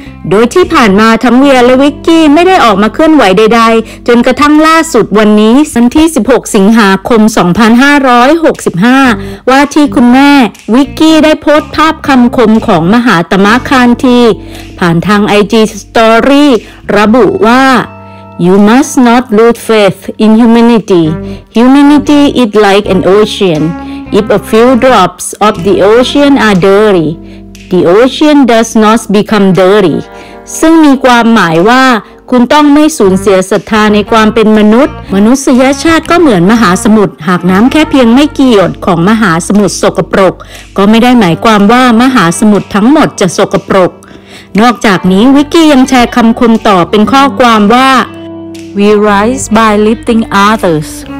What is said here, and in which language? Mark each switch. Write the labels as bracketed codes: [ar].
[th] โดยที่ผ่านมาทั้งเวียและวิกกี้ไม่ได้ออกมาเคลื่อนไหวใดๆจนกระทั่งล่าสุดวันนี้วันที่16สิงหาคม2565ว่าที่คุณแม่วิกกี้ได้โพสต์ภาพคำคมของมหาตมะคานธีผ่านทาง IG Story ระบุว่า [en] You must not lose faith in humanity. Humanity is like an ocean. If a few drops of the ocean are dirtyThe ocean does not become dirty. [th] ซึ่งมีความหมายว่าคุณต้องไม่สูญเสียศรัทธาในความเป็นมนุษย์มนุษยชาติก็เหมือนมหาสมุทรหากน้ำแค่เพียงไม่กี่หยดของมหาสมุทรสกปรกก็ไม่ได้หมายความว่ามหาสมุทรทั้งหมดจะสกปรกนอกจากนี้วิกกี้ยังแชร์คำคมต่อเป็นข้อความว่า [en] We rise by lifting others.